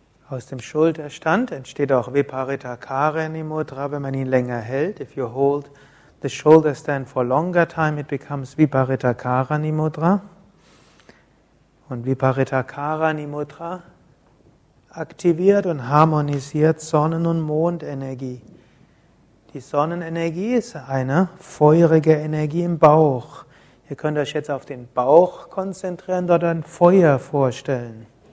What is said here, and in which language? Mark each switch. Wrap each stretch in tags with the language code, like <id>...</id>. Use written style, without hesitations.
<de>aus dem Schulterstand entsteht auch Viparita Karani Mudra, wenn man ihn länger hält.</de> <en>If you hold the shoulder stand for longer time, it becomes Viparita Karani Mudra.</en> <de>Und Viparita Karani Mudra aktiviert und harmonisiert Sonnen- und Mondenergie. Die Sonnenenergie ist eine feurige Energie im Bauch. Ihr könnt euch jetzt auf den Bauch konzentrieren, dort ein Feuer vorstellen.</de>